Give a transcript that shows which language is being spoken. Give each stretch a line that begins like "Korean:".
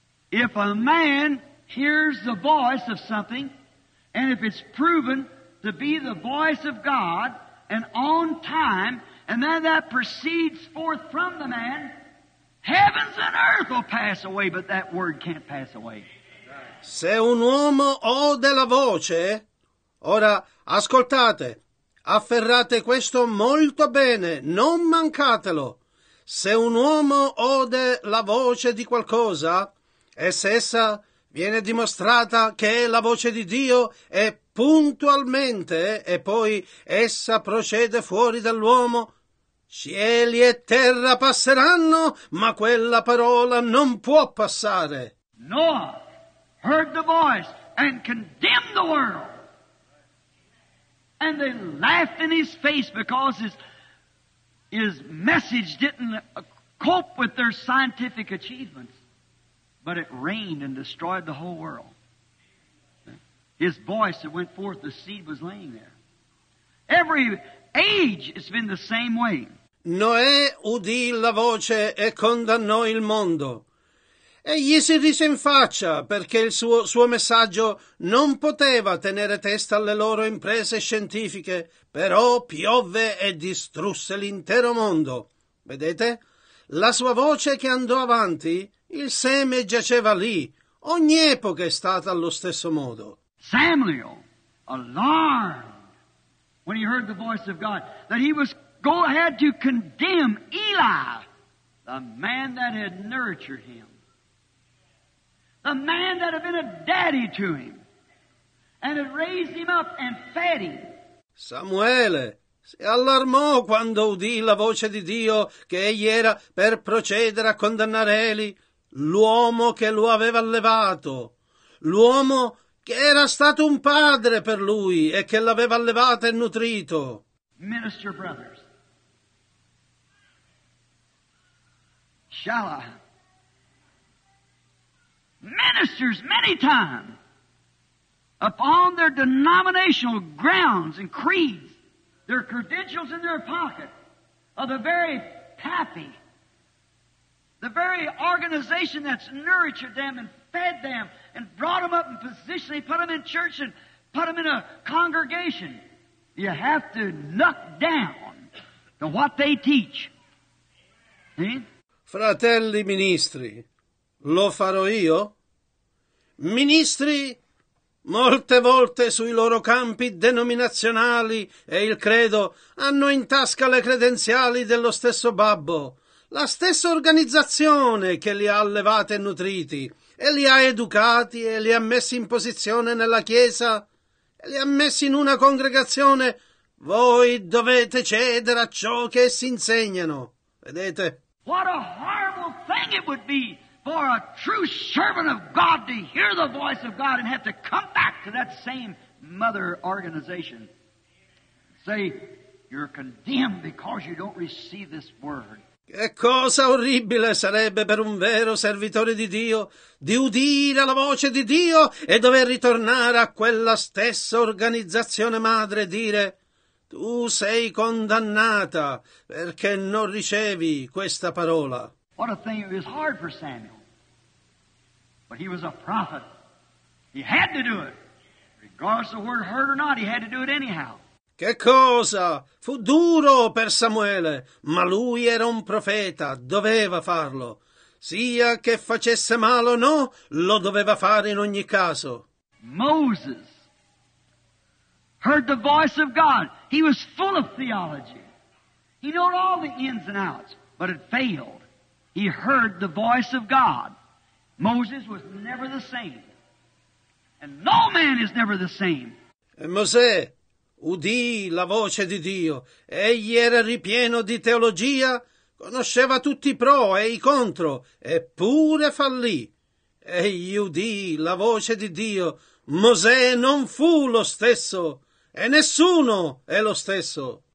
English: If a man hears the voice of something and if it's proven to be the voice of God and on time, and then that proceeds forth from the man, heavens and earth will pass away, but that word can't pass away.
Italian: Se un uomo ode la voce, ora ascoltate, afferrate questo molto bene, non mancatelo. Se un uomo ode la voce di qualcosa, e se essa viene dimostrata che è la voce di Dio, è puntualmente, e poi essa procede fuori dall'uomo, cieli e terra passeranno, ma quella parola non può passare.
English: Noah heard the voice and condemned the world. And they laughed in his face because his message didn't cope with their scientific achievements. But it rained and destroyed the whole world. His voice that went forth, the seed was laying there. Every age it's been the same way.
Italian: Noè udì la voce e condannò il mondo. Egli si rise in faccia perché il suo messaggio non poteva tenere testa alle loro imprese scientifiche, però piovve e distrusse l'intero mondo. Vedete? La sua voce che andò avanti, il seme giaceva lì. Ogni epoca è stata allo stesso modo.
English: Samuel, allarmed when he heard the voice of God, that he was had to condemn Eli, the man that had nurtured him, the man that had been a daddy to him, and had raised him up and fed him.
Italian: Samuele si allarmò quando udì la voce di Dio che egli era per procedere a condannare Eli, l'uomo che lo aveva allevato, l'uomo che era stato un padre per lui e che l'aveva allevato e nutrito.
English: Minister brothers, shall I? Ministers many times upon their denominational grounds and creeds, their credentials in their pocket, are the very pappy, the very organization that's nurtured them and fed them and brought them up in position, they put them in church and put them in a congregation. You have to knock down to what they teach.
Italian: Fratelli ministri, lo farò io? Ministri, molte volte sui loro campi denominazionali e il credo hanno in tasca le credenziali dello stesso babbo, la stessa organizzazione che li ha allevati e nutriti. E li ha educati e li ha messi in posizione nella chiesa e li ha messi in una congregazione. Voi dovete cedere a ciò che essi insegnano. Vedete?
English: What a horrible thing it would be for a true servant of God to hear the voice of God and have to come back to that same mother organization. Say, You're condemned because you don't receive this word.
Italian: Che cosa orribile sarebbe per un vero servitore di Dio di udire la voce di Dio e dover ritornare a quella stessa organizzazione madre e dire: tu sei condannata perché non ricevi questa parola.
English: What a thing, it was hard for Samuel. But he was a prophet. He had to do it. Regardless of the word heard or not, he had to do it anyhow.
Italian: Che cosa? Fu duro per Samuele, ma lui era un profeta, doveva farlo. Sia che facesse male o no, lo doveva fare in ogni caso.
English: Moses heard the voice of God. He was full of theology. He knew all the ins and outs, but it failed. He heard the voice of God. Moses was never the same. And no man is never the same.
Italian: E Mosè udì la voce di Dio. Egli era ripieno di teologia, conosceva tutti i pro e i contro, eppure fallì. Egli udì la voce di Dio. Mosè non fu lo stesso, e nessuno è lo stesso.